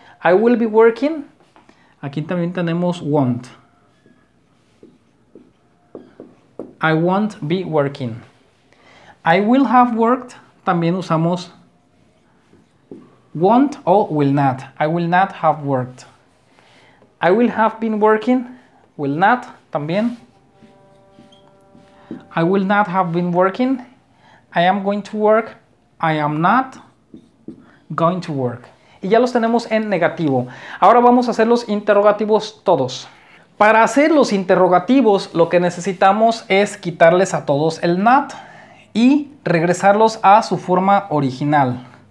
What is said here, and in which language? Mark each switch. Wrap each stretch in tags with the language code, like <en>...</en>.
<en>I will be working.</en> <es>Aquí también tenemos won't.</es> <en>I won't be working. I will have worked.</en> <es>También usamos won't o will not.</es> <en>I will not have worked. I will have been working. Will not.</en> <es>También.</es> <en>I will not have been working. I am going to work. I am not going to work.</en> <es>Y ya los tenemos en negativo. Ahora vamos a hacer los interrogativos todos. Para hacer los interrogativos, lo que necesitamos es quitarles a todos el not y regresarlos a su forma original.</es>